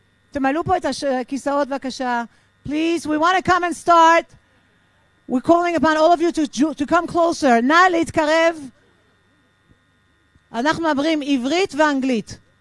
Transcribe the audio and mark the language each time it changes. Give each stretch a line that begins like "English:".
Hebrew: תמלו פה את הכיסאות בבקשה.
English: Please, we want to come and start. We're calling upon all of you to come closer.
Hebrew: נא להתקרב. אנחנו מדברים עברית ואנגלית.